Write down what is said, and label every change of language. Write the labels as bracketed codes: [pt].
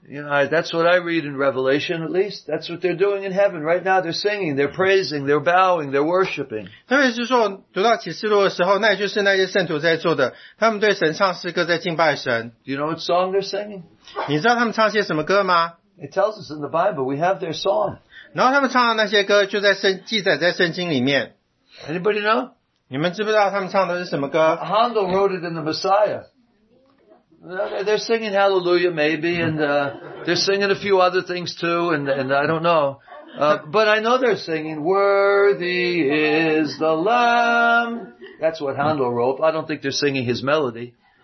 [en] You know, that's what I read in Revelation, at least. That's what they're doing in heaven. Right now they're singing, they're praising, they're bowing, they're worshiping. [zh] 特别是说，读到启示录的时候，那就是那些圣徒在做的，他们对神唱诗歌，在敬拜神。 [en] Do you know what song they're singing? [zh] 你知道他们唱些什么歌吗？ [en] It tells us in the Bible, we have their song. [zh] 然后他们唱的那些歌就在圣，记载在圣经里面。 [en] Anybody know? [zh] 你们知不知道他们唱的是什么歌? [en] Handel wrote it in the Messiah. They're singing Hallelujah, maybe, and they're singing a few other things too, and I don't know. But I know they're singing, Worthy is the Lamb. That's what Handel wrote. I don't think they're singing his melody.